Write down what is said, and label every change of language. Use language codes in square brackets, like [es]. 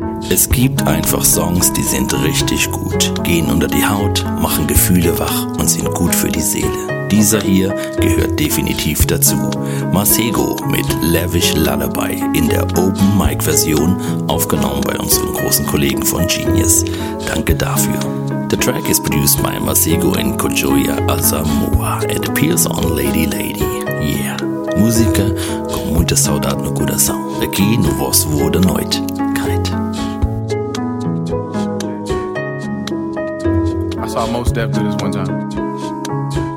[de] Es gibt einfach Songs, die sind richtig gut, gehen unter die Haut, machen Gefühle wach und sind gut für die Seele. Dieser hier gehört definitiv dazu. Masego mit Lavish Lullaby in der Open Mic Version, aufgenommen bei unseren großen Kollegen von Genius. Danke dafür. [en] The track is produced by Masego and Kojoya Asamoah. It appears on Lady Lady. Yeah. [pt] Musiker, com muita saudade no coração. Aqui no vosso voo da noite. [en] Kite. I saw Mos Def do this one time.